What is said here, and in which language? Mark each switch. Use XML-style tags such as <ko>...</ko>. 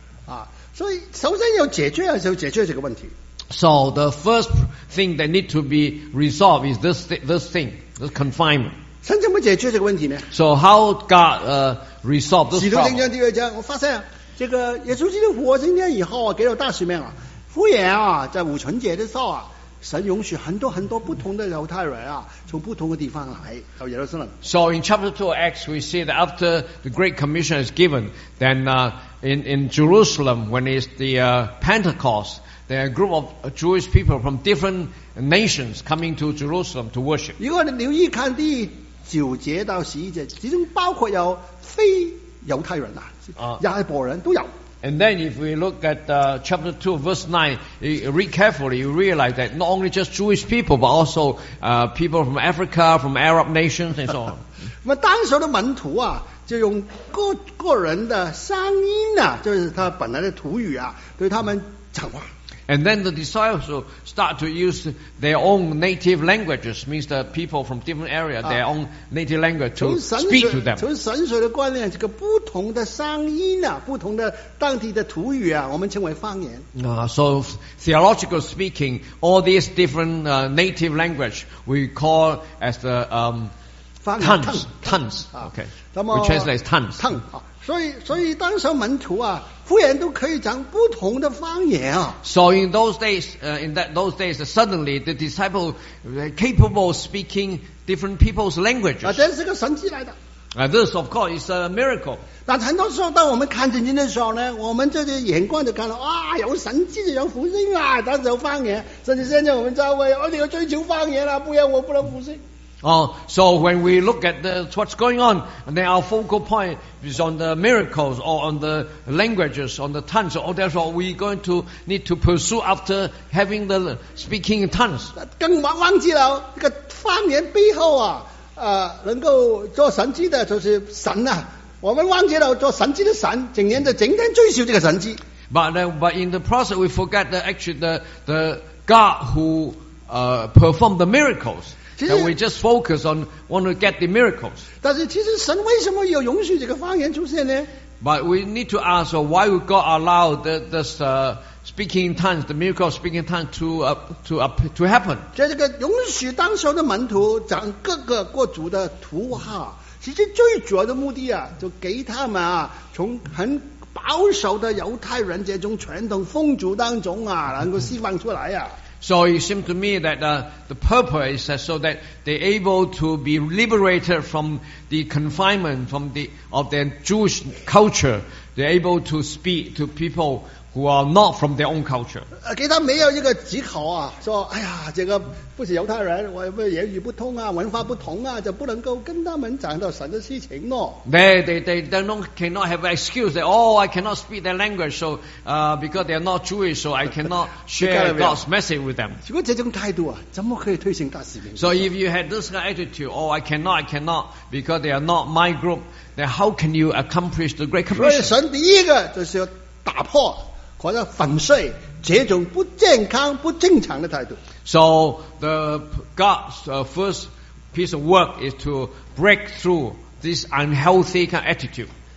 <zh>啊，所以首先要解决啊，就解决这个问题。</zh> <en>So the first thing that need to be resolved is this thing, this confinement.</en> <zh>神怎么解决这个问题呢</zh> <en>？So how God resolve this problem？</en> <zh>使徒行传第二章，我发现这个耶稣基督复活升天以后啊，给了大使命啊，复原啊，在五旬节的时候啊，神允许很多很多不同的犹太人啊，从不同的地方来到耶路撒冷。</zh> <en>So in chapter 2 of Acts, we see that after the Great Commission is given, then in Jerusalem when it's the Pentecost, there are a group of Jewish people from different nations coming to Jerusalem to worship.</en> <zh>如果你留意看第九节到十一节，其中包括有非犹太人啊，亚伯人都有。</zh> <en>And then if we look at chapter 2 verse 9, read carefully, you realize that not only just Jewish people, but also people from Africa, from Arab nations, and so on.</en> <zh>那么当时的门徒啊，就用个人的声音啊，就是他本来的土语啊，对他们讲话。</zh> <en>And then the disciples will start to use their own native languages, means the people from different areas, their own native language to speak to them.</en> <zh>从神学的观念，这个不同的声音啊，不同的当地的土语啊，我们称为方言。</zh> <en>So theological speaking, all these different native language we call as the tongues. Okay. We translate as tongues.</en> <zh>所以当时门徒啊，复原都可以讲不同的方言啊。</zh> <en>So in those days, suddenly the disciple capable of speaking different people's languages.</en> <zh>啊，这是个神迹来的。</zh> <en>This of course is a miracle.</en> <zh>但很多时候，当我们看圣经的时候呢，我们这些眼光就看到啊，有神迹，有福音啊，但是有方言。甚至现在我们教会，我们要追求方言啊，不然我不能服侍。</zh> <en>So when we look at what's going on, and then our focal point is on the miracles or on the languages, on the tongues, or that's what we're going to need to pursue after having the speaking tongues.</en> <zh>更忘记了这个方言背后啊，能够做神迹的就是神啊。我们忘记了做神迹的神，整天追求这个神迹。</zh> <en>But in the process, we forget that actually the God who performed the miracles. And we just focus on want to get the miracles.</en> <zh>但是其实神为什么有允许这个方言出现呢？</zh> <en>But we need to ask why would God allow this speaking tongues, the miracle of speaking tongues to happen?</en> <zh>这个允许当时的门徒讲各个国族的土话，其实最主要的目的啊，就给他们啊从很保守的犹太人这种传统风俗当中啊，能够释放出来啊。</zh> <en>So it seems to me that the purpose is so that they're able to be liberated from the confinement of their Jewish culture. They're able to speak to people who are not from their own culture.</en> <zh>给他没有一个藉口啊, 说, 哎呀, 这个不是犹太人, 我们言语不通啊, 文化不同啊, 就不能够跟他们讲到神的事情咯。</zh> <en>They cannot have an excuse that, oh, I cannot speak their language, so, because they are not Jewish, so I cannot share God's message with them.</en> <zh>如果这种态度啊, 怎么可以推行大使命?</zh> <en>So if you had this kind of attitude, oh, I cannot, because they are not my group, then how can you accomplish the Great Commission?</en> <zh>所以神第一个就是要打破, 或者粉碎这种不健康不正常的态度。</zh> <en>So the God's first piece of work is to break through this unhealthy kind of attitude.</en>